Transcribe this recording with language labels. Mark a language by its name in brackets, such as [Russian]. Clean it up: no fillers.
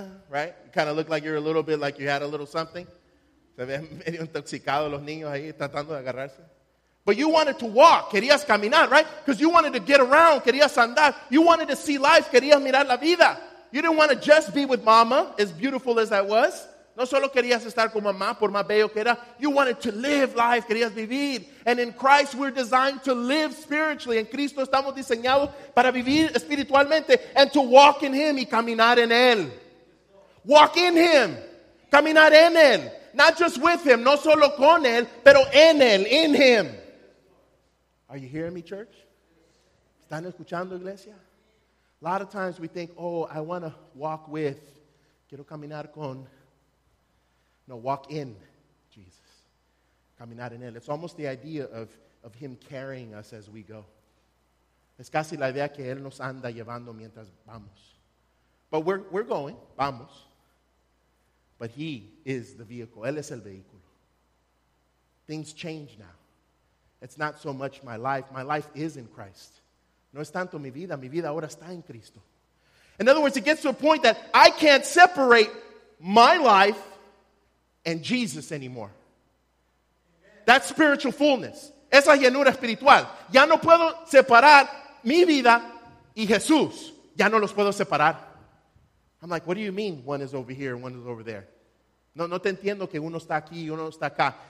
[English] Right? You kind of look like you're a little bit like you had a little something. [Spanish] Se ven medio intoxicados los niños ahí tratando de agarrarse. [English] But you wanted to walk. [Spanish] Querías caminar, [English] right? Because you wanted to get around. [Spanish] Querías andar. [English] You wanted to see life. [Spanish] Querías mirar la vida. [English] You didn't want to just be with mama, as beautiful as that was. [Spanish] No solo querías estar con mamá, por más bello que era. [English] You wanted to live life. [Spanish] Querías vivir. [English] And in Christ, we're designed to live spiritually. [Spanish] En Cristo estamos diseñados para vivir espiritualmente [English] and to walk in him [Spanish] y caminar en él. [English] Walk in him. [Spanish] Caminar en él. [English] Not just with him, [Spanish] no solo con él, pero en él, [English] in him. Are you hearing me, church? [Spanish] ¿Están escuchando, iglesia? [English] A lot of times we think, oh, I want to walk with, [Spanish] quiero caminar con. [English] No, walk in Jesus. [Spanish] Caminar en él. [English] It's almost the idea of him carrying us as we go. [Spanish] Es casi la idea que él nos anda llevando mientras vamos. [English] But we're going, [Spanish] vamos. [English] But he is the vehicle. [Spanish] Él es el vehículo. [English] Things change now. It's not so much my life. My life is in Christ. [Spanish] No es tanto mi vida. Mi vida ahora está en Cristo. [English] In other words, it gets to a point that I can't separate my life and Jesus anymore. That's spiritual fullness. [Spanish] Esa llenura espiritual. Ya no puedo separar mi vida y Jesús. Ya no los puedo separar. [English] I'm like, what do you mean one is over here and one is over there? [Spanish] No, no te entiendo que uno está aquí y uno está acá.